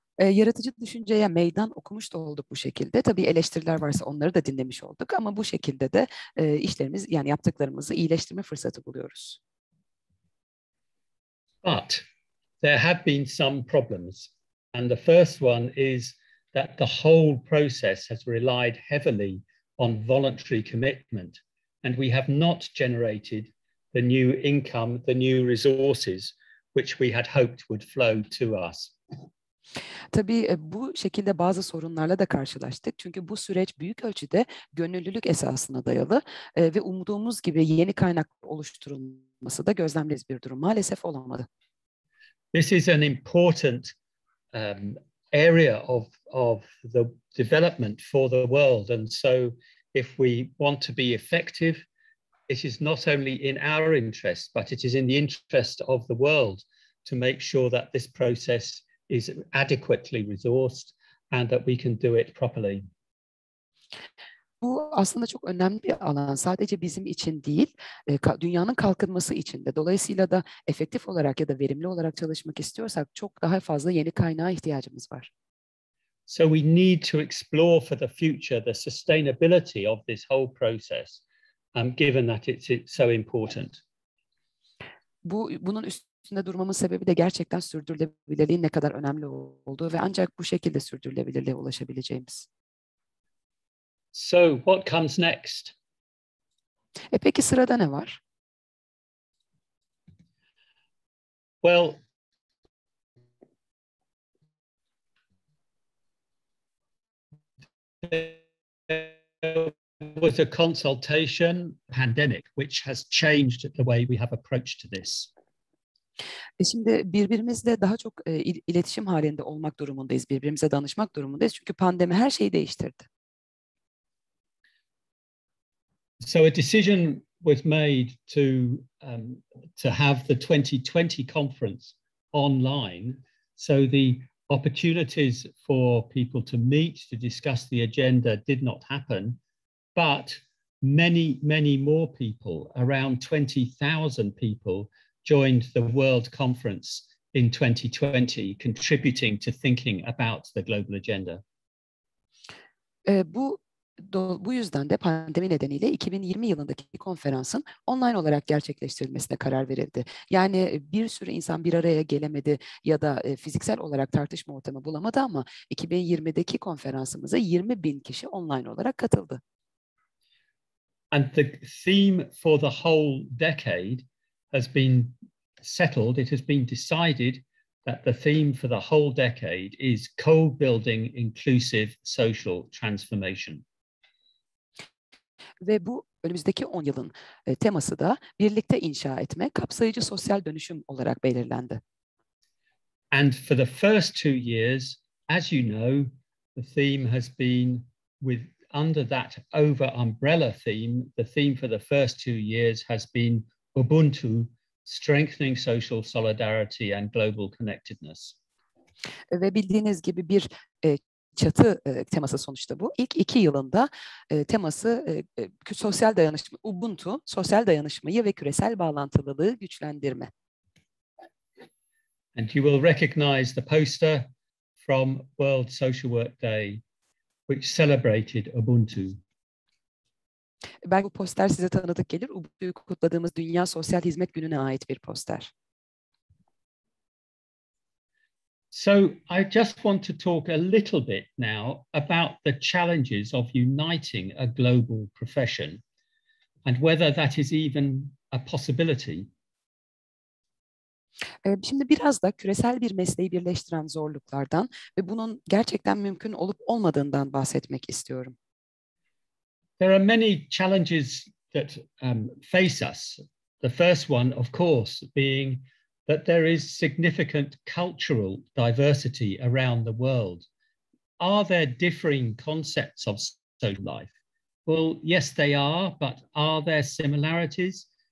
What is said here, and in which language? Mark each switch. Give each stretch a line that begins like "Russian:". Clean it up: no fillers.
Turkish: Yaratıcı düşünceye meydan okumuş da olduk bu şekilde. Tabii eleştiriler varsa onları da dinlemiş olduk ama bu şekilde de işlerimiz yani yaptıklarımızı iyileştirme fırsatı buluyoruz.
English: But there have been some problems. And the first one is that the whole process has relied heavily on voluntary commitment and we have not generated the new income, the new resources which we had hoped would flow to us.
Turkish: Tabii bu şekilde bazı sorunlarla da karşılaştık. Çünkü bu süreç büyük ölçüde gönüllülük esasına dayalı ve umduğumuz gibi yeni kaynak oluşturulması da gözlemlediğimiz bir durum. Maalesef olamadı.
English: This is an important area of the development for the world. And so if we want to be effective, it is not only in our interest, but it is in the interest of the world to make sure that this process is adequately resourced and that we can do it properly.
Turkish: Bu aslında çok önemli bir alan. Sadece bizim için değil, dünyanın kalkınması için de. Dolayısıyla da efektif olarak ya da verimli olarak çalışmak istiyorsak çok daha fazla yeni kaynağa ihtiyacımız var.
English: So we need to explore for the future the sustainability of this whole process, given that it's so important.
Turkish: Bunun üstünde durmamın sebebi de gerçekten sürdürülebilirliğin ne kadar önemli olduğu ve ancak bu şekilde sürdürülebilirliğe ulaşabileceğimiz.
English: So what comes next?
Turkish: Peki sırada ne var?
English: Well, there was a consultation pandemic which has changed the way we have approached this.
Turkish: Şimdi birbirimizle daha çok iletişim halinde olmak durumundayız, birbirimize danışmak durumundayız çünkü pandemi her şeyi değiştirdi.
English: So a decision was made to have the 2020 conference online, so the opportunities for people to meet to discuss the agenda did not happen, but many, many more people, around 20,000 people, joined the World Conference in 2020, contributing to thinking about the global agenda.
Turkish: Bu yüzden de pandemi nedeniyle 2020 yılındaki konferansın online olarak gerçekleştirilmesine karar verildi. Yani bir sürü insan bir araya gelemedi ya da fiziksel olarak tartışma ortamı bulamadı ama 2020'deki konferansımıza 20 bin kişi online olarak katıldı.
English: And the theme for the whole decade has been settled. It has been decided that the theme for the whole decade is co-building inclusive social transformation.
Turkish: Ve bu önümüzdeki 10 yılın teması da birlikte inşa etme, kapsayıcı sosyal dönüşüm olarak belirlendi.
English: And for the first 2 years, as you know, the theme has been with under that over umbrella theme, the theme for the first 2 years has been Ubuntu, strengthening social solidarity and global connectedness.
Turkish: Ve bildiğiniz gibi bir çatı teması sonuçta bu. İlk 2 yılında teması sosyal dayanışma, Ubuntu, sosyal dayanışmayı ve küresel bağlantılılığı güçlendirme.
English: And you will recognize the poster from World Social Work Day, which celebrated Ubuntu.
Turkish: Ben bu poster size tanıdık gelir. Ubuntu'yu kutladığımız Dünya Sosyal Hizmet Günü'ne ait bir poster.
English: So I just want to talk a little bit now about the challenges of uniting a global profession and whether that is even a possibility.
Turkish: Şimdi biraz da küresel bir mesleği birleştiren zorluklardan ve bunun gerçekten mümkün olup olmadığından bahsetmek istiyorum.
English: There are many challenges that face us. The first one, of course, being that there is significant cultural diversity around the world. Are there differing concepts of social life? Well, yes, they are, but are there similarities?